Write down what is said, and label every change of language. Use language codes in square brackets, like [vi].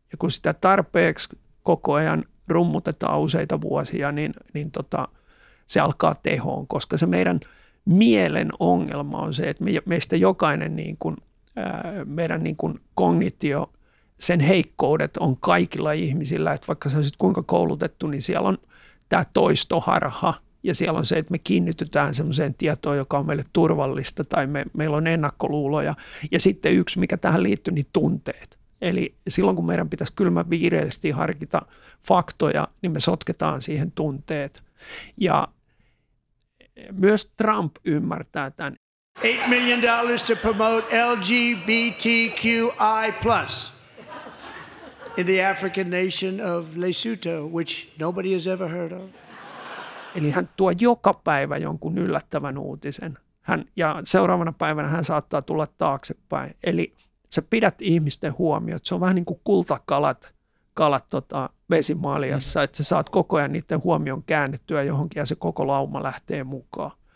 [fi] Ja kun sitä tarpeeksi koko ajan rummutetaan useita vuosia, niin se alkaa tehoon, koska se meidän mielen ongelma on se, että meistä jokainen niin kuin, meidän niin kuin kognitio, sen heikkoudet on kaikilla ihmisillä, että vaikka se on sitten kuinka koulutettu, niin siellä on tämä toistoharha ja siellä on se, että me kiinnitytään sellaiseen tietoon, joka on meille turvallista tai meillä on ennakkoluuloja ja sitten yksi, mikä tähän liittyy, niin tunteet. Eli silloin, kun meidän pitäisi kylmän viireellisesti harkita faktoja, niin me sotketaan siihen tunteet. Ja myös Trump ymmärtää tämän. [en] $8 million to promote LGBTQI+ in the African nation of Lesotho, which nobody has ever heard of. [fi] Eli hän tuo joka päivä jonkun yllättävän uutisen. Ja seuraavana päivänä hän saattaa tulla taaksepäin. Eli sä pidät ihmisten huomioon, se on vähän niin kuin kultakalat vesimaljassa, että sä saat koko ajan niiden huomion käännettyä johonkin ja se koko lauma lähtee mukaan.